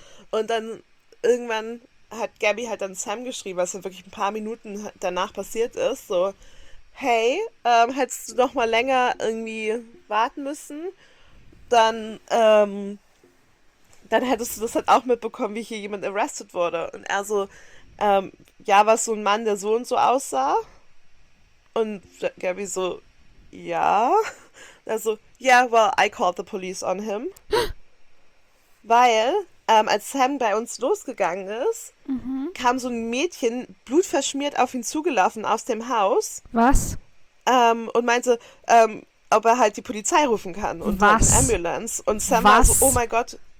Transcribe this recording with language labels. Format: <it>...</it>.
<de>Und dann irgendwann hat Gabby halt dann Sam geschrieben, was ja wirklich ein paar Minuten danach passiert ist, so, hey, hättest du noch mal länger irgendwie warten müssen, dann hättest du das halt auch mitbekommen, wie hier jemand arrested wurde. Und er so, ja, war es so ein Mann, der so und so aussah? Und Gabby so, ja. Er so,</de> <en>yeah, well, I called the police on him.</en> <de>Weil, als Sam bei uns losgegangen ist, kam so ein Mädchen blutverschmiert auf ihn zugelaufen aus dem Haus Was? und meinte, ob er halt die Polizei rufen kann und halt Was? Ambulance. Und Sam war so, Was?</de>